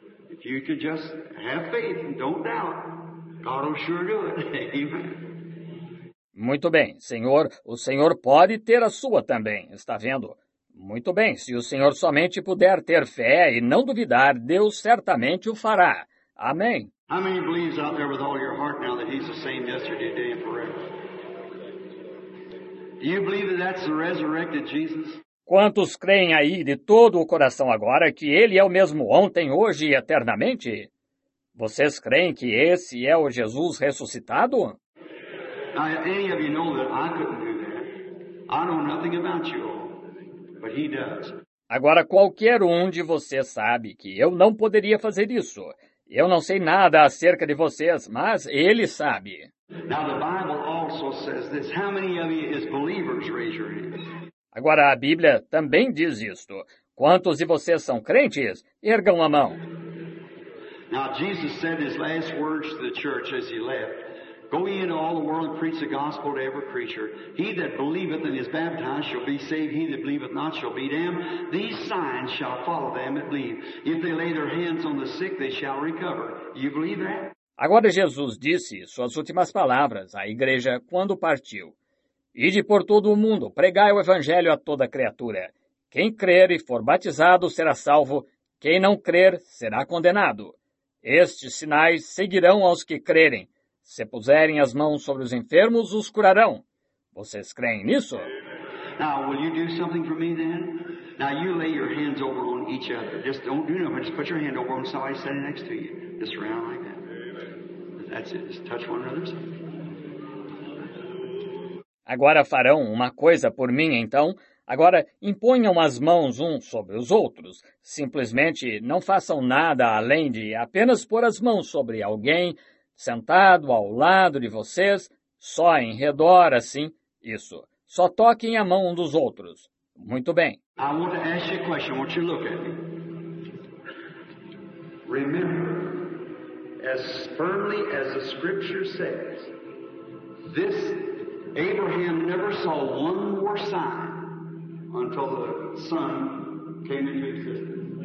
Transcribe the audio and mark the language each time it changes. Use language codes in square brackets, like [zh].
[en] If you could just have faith and don't doubt, God will sure do it. [pt] Muito bem, senhor. O senhor pode ter a sua também, está vendo? Muito bem, se o senhor somente puder ter fé e não duvidar, Deus certamente o fará. Amém. [en] How many believes out there with all your heart now that he's the same yesterday, today and forever? Do you believe that that's the resurrected Jesus? [pt] Quantos creem aí de todo o coração agora que ele é o mesmo ontem, hoje e eternamente? Vocês creem que esse é o Jesus ressuscitado? [en] Any of you know that I couldn't do that. I know nothing about you. But he does. [pt] Agora, qualquer um de vocês sabe que eu não poderia fazer isso. Eu não sei nada acerca de vocês, mas ele sabe. [en] Now, the Bible also says this. How many of you is believers? Raise your hand. [pt] Agora, a Bíblia também diz isto. Quantos de vocês são crentes? Ergam a mão. [en] Now, Jesus said his last words to the church as he left. Go ye into all the world and preach the gospel to every creature. He that believeth and is baptized shall be saved. He that believeth not shall be damned. These signs shall follow them that believe. If they lay their hands on the sick, they shall recover. You believe that? [pt] Agora Jesus disse suas últimas palavras à igreja quando partiu. Ide por todo o mundo, pregai o evangelho a toda criatura. Quem crer e for batizado será salvo. Quem não crer será condenado. Estes sinais seguirão aos que crerem. Se puserem as mãos sobre os enfermos, os curarão. Vocês creem nisso? [en] Now, will you do something for me then? Now, you lay your hands over on each other. Just don't do nothing. Just put your hand over on somebody standing next to you. Just around like that. That's it. Just touch one another. [pt] Agora farão uma coisa por mim, então. Agora, imponham as mãos uns sobre os outros. Simplesmente não façam nada além de apenas pôr as mãos sobre alguém sentado ao lado de vocês, só em redor, assim, isso. Só toquem a mão um dos outros. Muito bem. [en] I want to ask you a question. I want you to look at me. Remember, as firmly as the scripture says, this Abraham never saw one more sign until the son came into existence.